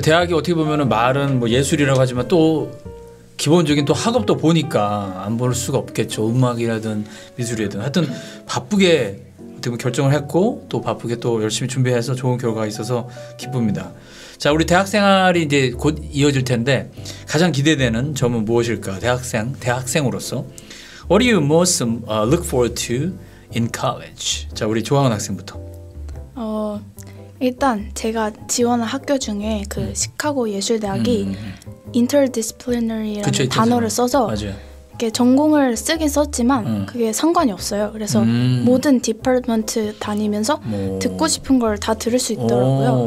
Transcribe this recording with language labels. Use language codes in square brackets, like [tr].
[ko] 대학이 어떻게 보면은 말은 뭐 예술이라고 하지만 또 기본적인 또 학업도 보니까 안 볼 수가 없겠죠. 음악이라든 미술이라든 하여튼 바쁘게 어떻게 보면 결정을 했고 또 바쁘게 또 열심히 준비해서 좋은 결과가 있어서 기쁩니다. 자, 우리 대학생활이 이제 곧 이어질 텐데 가장 기대되는 점은 무엇일까? 대학생으로서 [en] What do you most look forward to in college? [ko] 자, 우리 조항은 학생부터. 일단 제가 지원한 학교 중에 그 시카고 예술대학이 interdisciplinary라는 그쵸, 단어를 써서 맞아요. 이렇게 전공을 쓰긴 썼지만 그게 상관이 없어요. 그래서 모든 디파트먼트 다니면서 듣고 싶은 걸 다 들을 수 있더라고요.